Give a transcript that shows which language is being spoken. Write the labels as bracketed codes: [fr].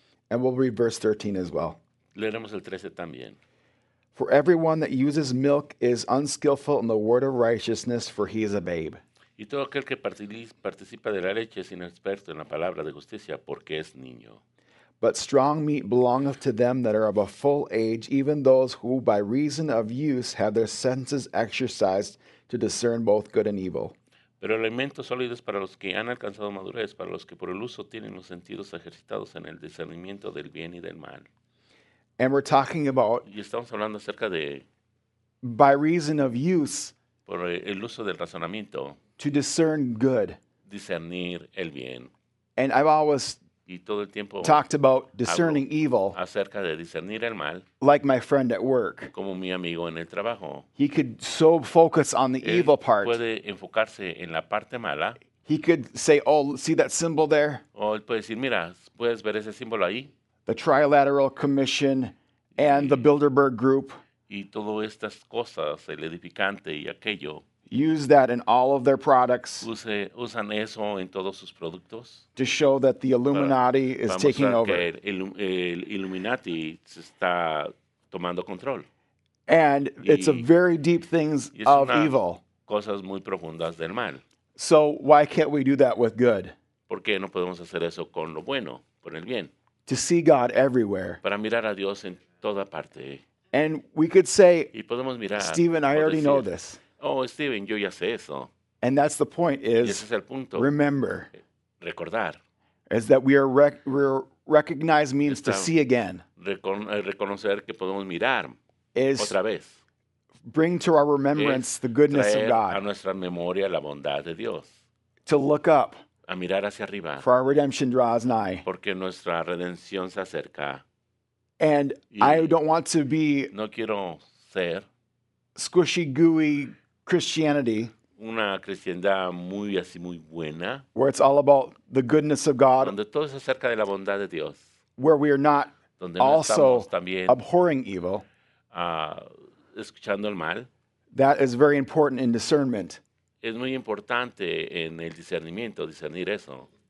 [en] And we'll read verse 13 as well. [es] Leeremos el 13 también. [en] For everyone that uses milk is unskillful in the word of righteousness, for he is a babe. [es] Y todo aquel que participa de la leche es inexperto en la palabra de justicia, porque es niño. [en] But strong meat belongeth to them that are of a full age, even those who by reason of use have their senses exercised to discern both good and evil. [es] Pero el alimento sólido es para los que han alcanzado madurez, para los que por el uso tienen los sentidos ejercitados en el discernimiento del bien y del mal. [en] And we're talking about, [es] y estamos hablando acerca de, [en] by reason of use, [es] por el uso del razonamiento, [en] to discern good, [es] discernir el bien. [en] And I've always [es] y todo el tiempo [en] talked about discerning evil, [es] acerca de discernir el mal, [en] like my friend at work. [es] Como mi amigo en el trabajo. [en] He could so focus on the [es] él [en] evil part. [es] Puede enfocarse en la parte mala. [en] He could say, oh, see that symbol there? [es] O él puede decir, mira, puedes ver ese símbolo ahí? [en] The Trilateral Commission and the Bilderberg Group. [es] Y todas estas cosas, el edificante y aquello. [en] Use that in all of their products. [es] Usan eso en todos sus productos. [en] To show that the Illuminati is taking over. [es] Para mostrar que el Illuminati se está tomando control. [en] And it's a very deep things of evil. [es] Cosas muy profundas del mal. [en] So why can't we do that with good? [es] ¿Por qué no podemos hacer eso con lo bueno, con el bien? [en] To see God everywhere. [es] Para mirar a Dios en toda parte. [en] And we could say, [es] y podemos mirar, [en] Stephen, I already know this. [es] Oh, Steven, yo ya sé eso. [en] And that's the point is, [es] y ese es el punto. [en] Remember, [es] recordar, [en] is that we are recognize means to see again. [es] Reconocer que podemos mirar [en] is [es] otra vez. [en] Bring to our remembrance the goodness [es] traer [en] of God. [es] A nuestra memoria la bondad de Dios. [en] To look up, [es] a mirar hacia arriba, [en] for our redemption draws nigh. [es] Porque nuestra redención se acerca. [en] And y I don't want to be [es] no quiero ser [en] squishy, gooey, Christianity, [es] una cristiandad muy así muy buena, [en] where it's all about the goodness of God, [es] donde todo es acerca de la bondad de Dios, [en] where we are not [es] donde [en] also [es] no estamos también [en] abhorring evil, [es] escuchando el mal. [en] That is very important in discernment. [es] Es muy importante en el discernimiento, discernir eso.